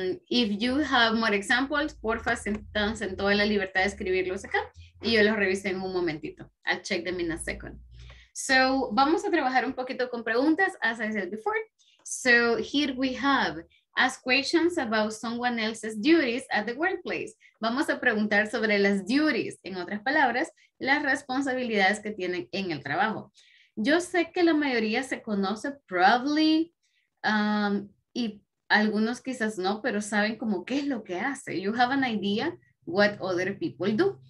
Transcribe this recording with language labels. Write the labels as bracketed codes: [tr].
[en] If you have more examples, [es] porfa, sentanse en toda la libertad de escribirlos acá. Y yo los revisé en un momentito. [en] I'll check them in a second. [es] So, vamos a trabajar un poquito con preguntas, [en] as I said before. So, here we have, ask questions about someone else's duties at the workplace. [es] Vamos a preguntar sobre las duties, en otras palabras, las responsabilidades que tienen en el trabajo. Yo sé que la mayoría se conoce, probably, y algunos quizás no, pero saben como qué es lo que hace. [en] You have an idea what other people do.